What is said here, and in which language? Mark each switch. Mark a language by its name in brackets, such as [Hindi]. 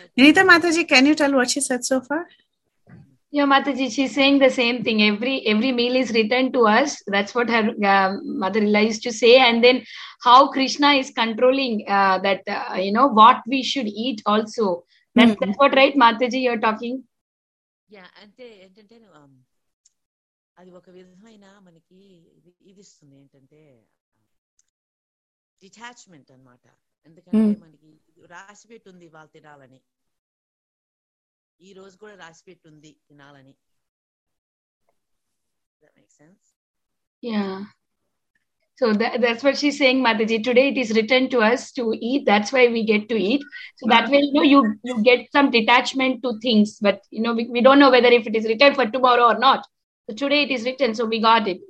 [English] Vinita Mataji, can you tell what she said so far? Yeah, Mataji, she's saying the same thing. Every meal is written to us. That's what her mother-in-law used to say. And then how Krishna is controlling what we should eat also. That's what, right, Mataji, you're talking? [Telugu] Yeah, ante, అది ఒక విధమైన మనకి ఇది ఇస్తుంది ఏంటంటే detachment అన్నమాట. ఎందుకంటే మనకి రాసి పెట్టుంది వాళ్ళు తినాలని, ఈ రోజు కూడా రాసి పెట్టుంది తినాలని. [English] That make sense? Yeah. So that's what she's saying, Mataji. Today it is written to us to eat. That's why we get to eat. So that way, you know, you get some detachment to things. But, you know, we don't know whether if it is written for tomorrow or not. So today it is written. So we got it.